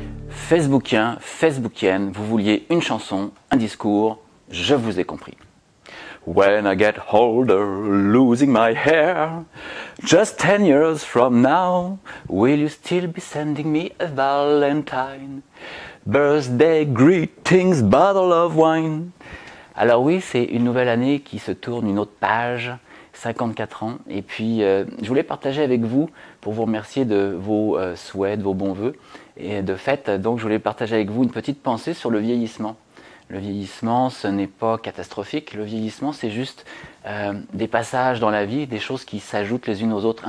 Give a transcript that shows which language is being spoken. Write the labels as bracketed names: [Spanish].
[French] Facebookien, Facebookienne, vous vouliez une chanson, un discours, je vous ai compris. [English] When I get older, losing my hair, just 10 years from now, will you still be sending me a Valentine? Birthday greetings, bottle of wine. [French] Alors oui, c'est une nouvelle année qui se tourne une autre page, 54 ans. Et puis, je voulais partager avec vous, pour vous remercier de vos souhaits, de vos bons voeux. Et de fait, donc, je voulais partager avec vous une petite pensée sur le vieillissement. Le vieillissement, ce n'est pas catastrophique. Le vieillissement, c'est juste des passages dans la vie, des choses qui s'ajoutent les unes aux autres.